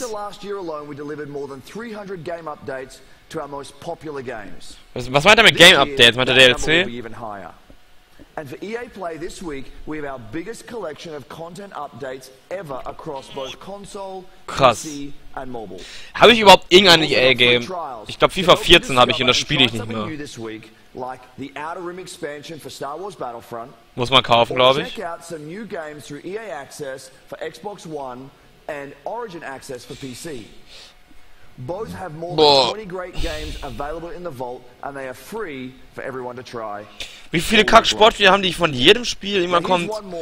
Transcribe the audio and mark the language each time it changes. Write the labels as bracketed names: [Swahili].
[English] In just the last year alone we delivered more than 300 game updates to our most popular games. [German] Was meint er mit Game Updates? Meint er DLC? [English] And for EA Play this week, we have our biggest collection of content updates ever across both console, [German] krass, [English] PC and mobile. [German] Habe ich überhaupt irgendein EA Game? Ich glaube FIFA 14 habe ich und das spiele ich nicht mehr. [English] Like the Outer Rim expansion for Star Wars Battlefront. [German] Muss man kaufen, glaube ich. [English] Check out some new games through EA Access for Xbox One and Origin Access for PC. Both have more than 20 great games available in the vault and they are free for everyone to try. [German] Wie viele Kack-Sportspiele haben die von jedem Spiel immer kommt?